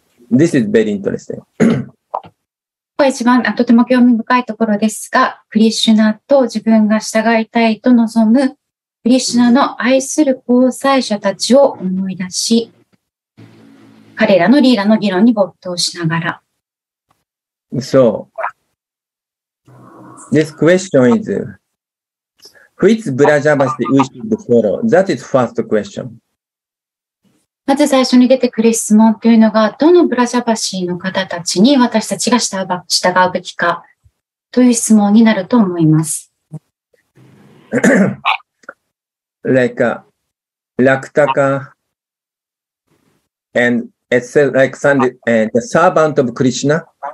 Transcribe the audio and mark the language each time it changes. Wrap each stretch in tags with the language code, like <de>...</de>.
<en>This is very interesting.</en> <ja>ここ一番とても興味深いところですが、クリシュナと自分が従いたいと望むクリシュナの愛する交際者たちを思い出し、彼らのリーダーの議論に没頭しながら。</ja> <en>So. This question is, which Vrajavasi we should follow? That is the first question.</en> <ja>まず最初に出てくる質問というのが、どのブラジャバシの方たちに私たちが従うべきかという質問になると思います。</ja> <en>like, Raktaka, and it's like Sandy, the servant of Krishna.</en>